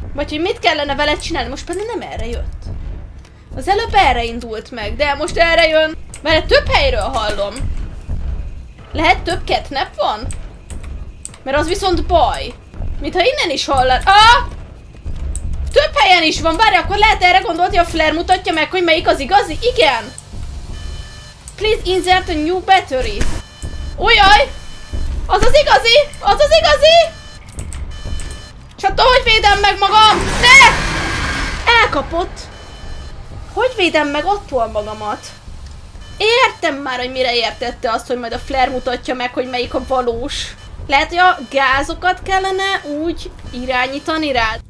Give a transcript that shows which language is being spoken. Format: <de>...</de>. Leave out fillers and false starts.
<hu>Vagy hogy mit kellene vele csinálni? Most pedig nem erre jött. Az előbb erre indult meg, de most erre jön. Mert több helyről hallom. Lehet több catnap van? Mert az viszont baj. Mintha innen is hallanak. Ah! Több helyen is van. Várj, akkor lehet erre gondolni, hogy a flare mutatja meg, hogy melyik az igazi? Igen!</hu> <en>Please insert a new battery.</en> <hu>Ujjaj! Az az igazi! Az az igazi! Csak hogy védem meg magam? Ne! Elkapott. Hogy védem meg attól magamat? Értem már, hogy mire értette azt, hogy majd a flare mutatja meg, hogy melyik a valós. Lehet, hogy a gázokat kellene úgy irányítani rá.</hu>